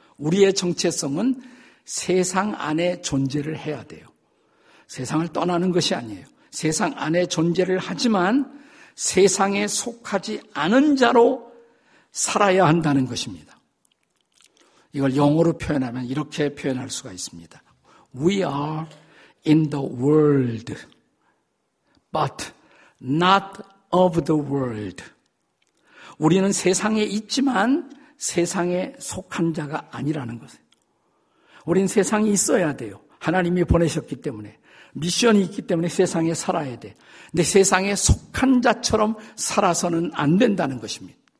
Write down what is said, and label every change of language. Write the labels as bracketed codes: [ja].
[ko] 우리의 정체성은 세상 안에 존재를 해야 돼요. 세상을 떠나는 것이 아니에요. 세상 안에 존재를 하지만 세상에 속하지 않은 자로 살아야 한다는 것입니다. 이걸 영어로 표현하면 이렇게 표현할 수가 있습니다. [en] We are in the world, but not of the world. [ko] 우리는 세상에 있지만 세상에 속한 자가 아니라는 것이에요. 우린 세상이 있어야 돼요. 하나님이 보내셨기 때문에. 미션이 있기 때문에 세상에 살아야 돼. 근데 세상에 속한 자처럼 살아서는 안 된다는 것입니다.